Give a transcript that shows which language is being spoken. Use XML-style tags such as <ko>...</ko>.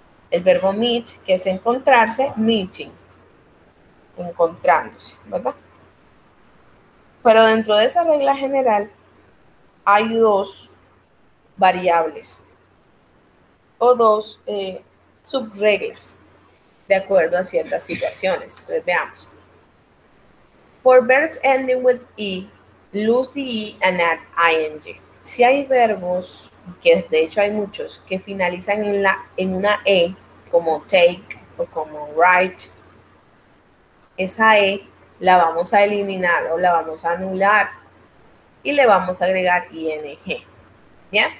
<es>El verbo meet, que es encontrarse, meeting. Encontrándose, ¿verdad? Pero dentro de esa regla general hay dos variables o dos subreglas de acuerdo a ciertas situaciones. Entonces veamos.</es> <en>For verbs ending with E, lose the E and add ing.</en> <es>Si hay verbos, que de hecho hay muchos, que finalizan en una E, como take o como write, esa E la vamos a eliminar o la vamos a anular y le vamos a agregar ing. ¿Ya?</es>